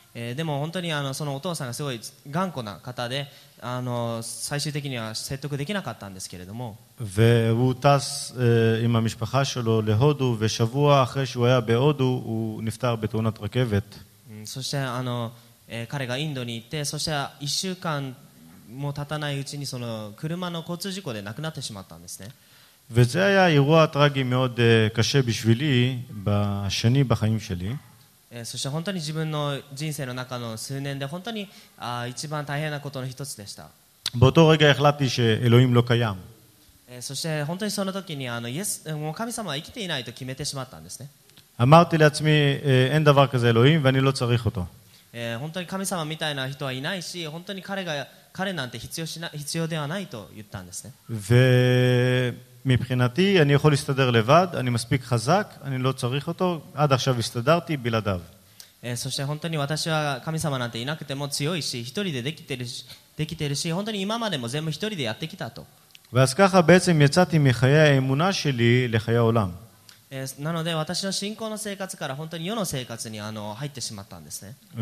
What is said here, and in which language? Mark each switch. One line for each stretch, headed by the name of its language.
Japanese: でも本当にそのお父さんがすごい頑固な方で、最終的には説得できなかったんですけれども。
Hebrew: והוא טס עם המשפחה שלו להודו, ושבוע אחרי שהוא היה בהודו, הוא נפטר בתאונת רכבת.
Japanese: そして彼がインドに行って、そして1週間も経たないうちにその車の交通事故で亡くなってしまったんですね。
Hebrew: וזה היה אירוע טרגי מאוד קשה בשבילי בשני בחיים שלי.
Japanese: そして本当に自分の人生の中の数年で本当に一番大変なことの一つでした。
Hebrew: באותו רגע החלטתי שאלוהים לא קיים.
Japanese: そして本当にその時にイエス、もう神様は生きていないと決めてしまったんですね。
Hebrew: אמרתי לעצמי, אין דבר כזה אלוהים ואני לא צריך אותו.
Japanese: 本当に神様みたいな人はいないし、本当に彼なんて必要ではないと言ったんですね。
Hebrew: ומבחינתי אני יכול להסתדר לבד, אני מספיק חזק, אני לא צריך אותו, עד עכשיו הסתדרתי בלעדיו.
Japanese: そして本当に私は神様なんていなくても強いし、一人でできてるし、本当に今までも全部一人でやってきたと。
Hebrew: ואז ככה בעצם יצאתי מחיי האמונה שלי לחיי העולם.
Japanese: なので私の信仰の生活から本当に世の生活に入ってしまったんですね。